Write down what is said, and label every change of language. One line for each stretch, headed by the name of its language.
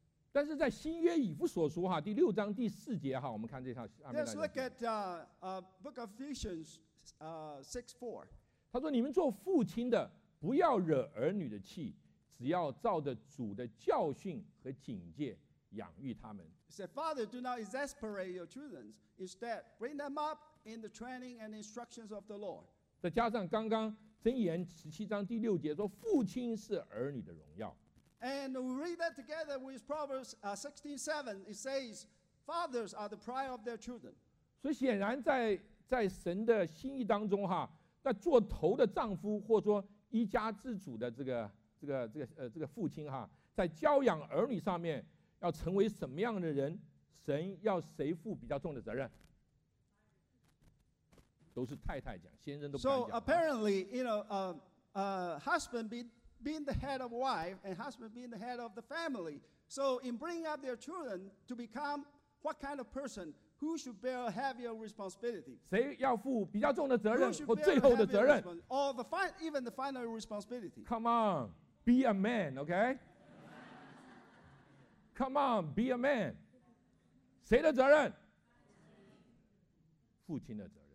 Chinese: 但是在新约以弗所书哈第六章第四节哈，我们看这条。
English: Let's look at Book of Ephesians 6:4.
Chinese: 他说：“你们做父亲的，不要惹儿女的气。” 只要照着主的教训和警戒养育他们。
English: He said, "Father, do not exasperate your children. Instead, bring them up in the training and instructions of the Lord."
Chinese: 再加上刚刚箴言十七章第六节说，父亲是儿女的荣耀。
English: And we read that together with Proverbs 16:7. It says, "Fathers are the pride of their children."
Chinese: 所以显然在神的心意当中哈，那做头的丈夫或者说一家之主的这个父亲哈，在教养儿女上面要成为什么样的人，神要谁负比较重的责任，都是太太讲，先生都不敢讲。
English: So apparently, you know, husband be being the head of wife and husband being the head of the family. So in bringing up their children to become what kind of person, who should bear a heavier responsibility?
Chinese: 谁要负比较重的责任或最后的责任
English: or the even the final responsibility? Come on, be a man, okay? Come on, be a man.
Chinese: 谁的责任？父亲的责任。